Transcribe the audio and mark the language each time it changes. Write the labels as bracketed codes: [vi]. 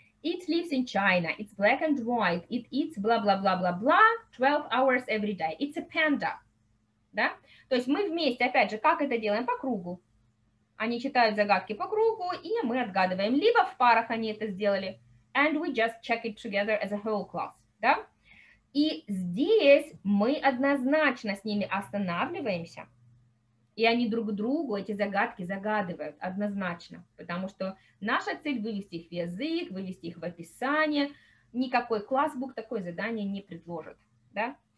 [en] It lives in China. It's black and white. It eats bla-bla-bla-bla-bla 12 hours every day. It's a panda. Да? [ru] То есть мы вместе, опять же, как это делаем? По кругу. Они читают загадки по кругу, и мы отгадываем. Либо в парах они это сделали. [en] And we just check it together as a whole class. [ru] Да? И здесь мы однозначно с ними останавливаемся, и они друг другу эти загадки загадывают однозначно, потому что наша цель вывести их в язык, вывести их в описание, никакой классбук такое задание не предложит, да?